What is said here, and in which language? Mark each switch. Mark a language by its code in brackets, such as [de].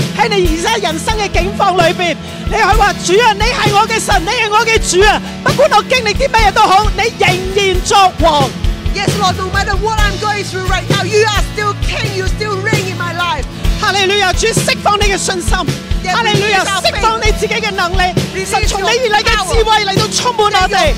[zh] 在你现在人生的境况里面，你可以说，主啊，你是我的神，你是我的主啊，不管我经历什么都好，你仍然作王。 [en] Yes, Lord, no matter what I'm going through right now, you are still king, you still reign in my life. [zh] Hallelujah, 主释放你的信心。 Yeah, Hallelujah, 释放你自己的能力。神从你而来的智慧来到充满我们。